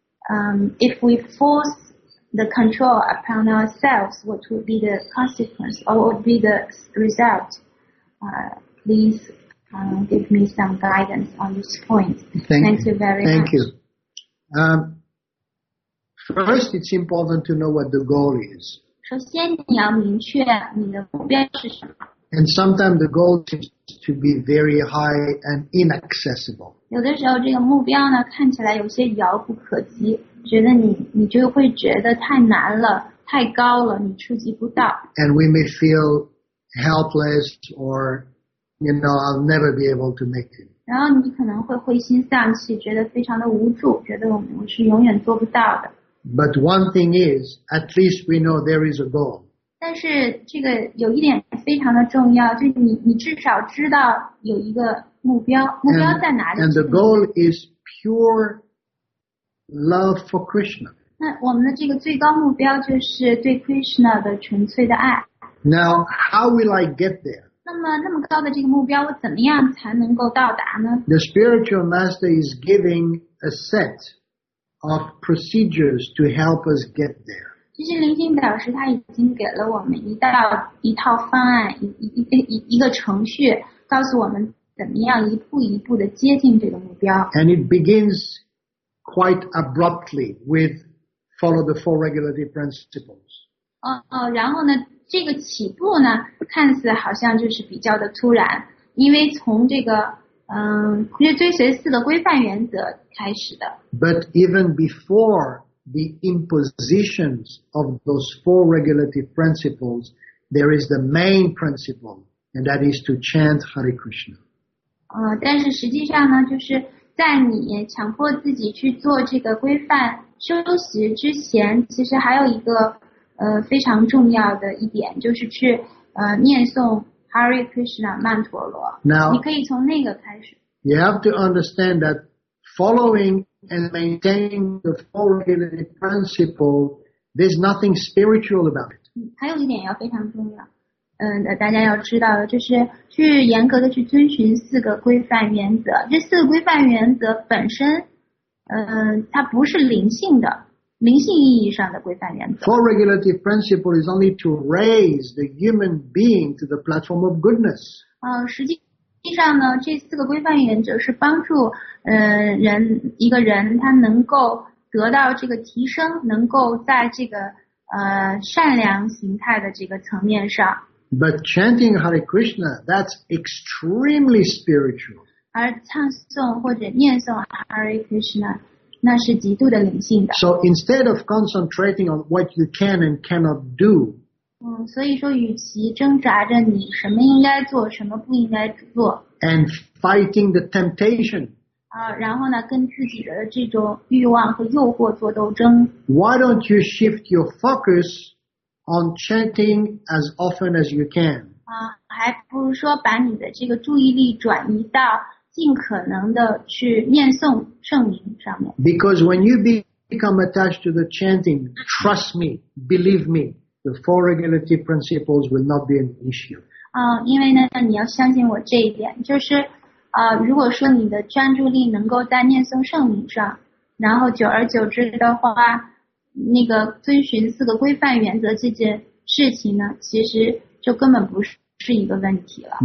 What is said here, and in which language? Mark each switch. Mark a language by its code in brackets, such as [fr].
[en] If we force the control upon ourselves, what would be the consequence or what would be the result? Please. Give me some guidance on this point. Thank you very much. First, it's important to know what the goal is. [zh] 首先你要明确你的目标是什么。 [en] And sometimes the goal seems to be very high and inaccessible. [zh] 有的时候这个目标呢看起来有些遥不可及，觉得你就会觉得太难了，太高了，你触及不到。 [en] And we may feel helpless or... You know, I'll never be able to make it. [zh] 然后你可能会灰心丧气，觉得非常的无助，觉得我是永远做不到的。 [en] But one thing is, at least we know there is a goal. [zh] 但是这个有一点非常的重要，就是你至少知道有一个目标，目标在哪里。 [en] And the goal is pure love for Krishna. [zh] 那我们的这个最高目标就是对 Krishna 的纯粹的爱。 [en] Now, how will I get there? [zh] 那么高的这个目标，我怎么样才能够到达呢？ [en] The spiritual master is giving a set of procedures to help us get there. [zh] 其实灵性导师他已经给了我们一套方案，一个程序，告诉我们怎么样一步一步的接近这个目标。 [en] And it begins quite abruptly with follow the four regulative principles. [zh] 然后呢？这个起步呢看似好像就是比较的突然，因为从这个追随四个规范原则开始的。 [en] But even before the impositions of those four regulative principles, there is the main principle, and that is to chant Hare Krishna. [zh] 但是实际上呢，就是在你强迫自己去做这个规范修习之前，其实还有一个非常重要的一点就是去念诵 Hare Krishna 曼陀罗。 [en] Now, [zh] 你可以从那个开始。 [en] You have to understand that following and maintaining the four regulative principle, there's nothing spiritual about it. [zh] 还有一点要非常重要，大家要知道的就是去严格的去遵循四个规范原则。这四个规范原则本身，它不是灵性的。灵性意义上的规范原则。 [en] Four regulative principle is only to raise the human being to the platform of goodness. [zh] 实际上呢，这四个规范原则是帮助人一个人他能够得到这个提升，能够在这个善良形态的这个层面上。 [en] But chanting Hare Krishna, that's extremely spiritual. [zh] 而唱诵或者念诵 Hare Krishna, 那是极度的灵性的。 [en] So instead of concentrating on what you can and cannot do, [zh] 所以说与其挣扎着你什么应该做，什么不应该做。 [en] And fighting the temptation. [zh] 然后呢跟自己的这种欲望和诱惑做斗争。 [en] Why don't you shift your focus on chanting as often as you can? [zh] 还不如说把你的这个注意力转移到尽可能的去念诵圣名上面。 [en] Because when you become attached to the chanting, trust me, believe me, the four regulative principles will not be an issue. [zh] 因为呢你要相信我这一点就是如果说你的专注力能够在念诵圣名上，然后久而久之的话，那个遵循四个规范原则这件事情呢，其实就根本不是一个问题了。